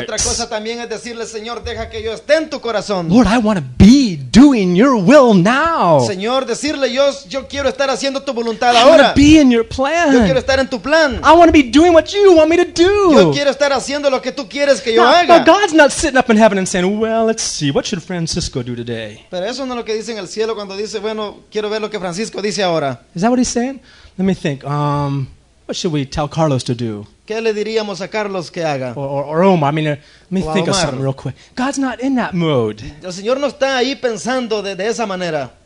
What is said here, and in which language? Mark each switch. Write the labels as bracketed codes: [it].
[es] Y otra cosa también es decirle, Señor, deja que yo esté en tu corazón. [en] Lord, I want to be doing your will now. [es] Señor, decirle, yo quiero estar haciendo tu voluntad [en] I [es] ahora. [en] I want to be in your plan. [es] Yo quiero estar en tu plan. [en] I want to be doing what you want me to do. [es] Yo quiero estar haciendo lo que tú quieres que yo haga. [en] Now, God's not sitting up in heaven and saying, well, let's see, what should Francisco do today? [es] Pero eso no es lo que dice en el cielo cuando dice, bueno, quiero ver lo que Francisco dice ahora. [en] Is that what he's saying? Let me think. What should we tell Carlos to do? [es] ¿Qué le diríamos a Carlos que haga? [en] Or Omar. I mean, let me think of something real quick. God's not in that mode. [es] El Señor no está ahí pensando de esa manera.